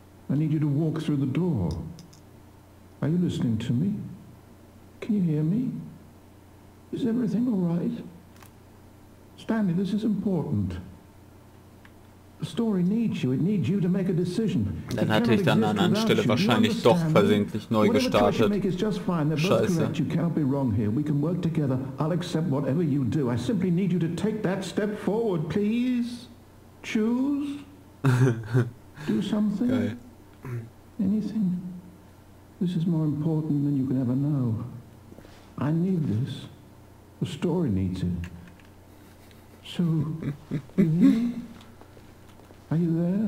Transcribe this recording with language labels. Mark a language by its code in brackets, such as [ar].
[en] I need you to walk through the door. Are you listening to me? Can you hear me? Is everything all right? Stanley, this is important. The story needs you. It needs you to make a decision. [de] Dann hatte ich dann an Anstelle wahrscheinlich doch versehentlich neu gestartet. Scheiße. [en] You cannot be wrong here. We can work together. I'll accept whatever you do. I simply need you to take that step forward, please. Choose. Do something. [de] Geil. [en] Anything. This is more important than you can ever know. I need this. The story needs it. So, are you there?